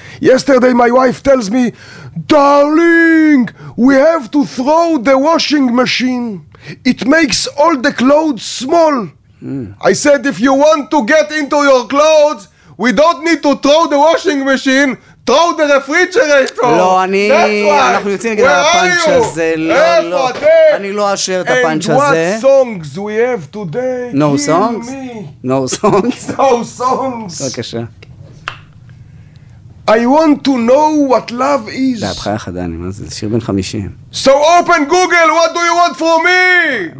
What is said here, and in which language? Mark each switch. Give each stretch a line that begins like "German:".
English: Yesterday my wife tells me, darling, we have to throw the washing machine. It makes all the clothes small. I said, if you want to get into your clothes... We don't need to throw the washing machine, throw the refrigerator.
Hebrew: לא, אני... אנחנו יוצאים נגד הפאנץ' הזה. לא, לא. אני לא אשר את הפאנץ' הזה.
English: And what songs we have today? No songs? No songs? No songs.
Hebrew: בבקשה.
English: I want to know what love is.
Hebrew: זה הבחיה אחת, דני, מה זה? זה שיר בן 50.
English: So open Google, what do you want from me?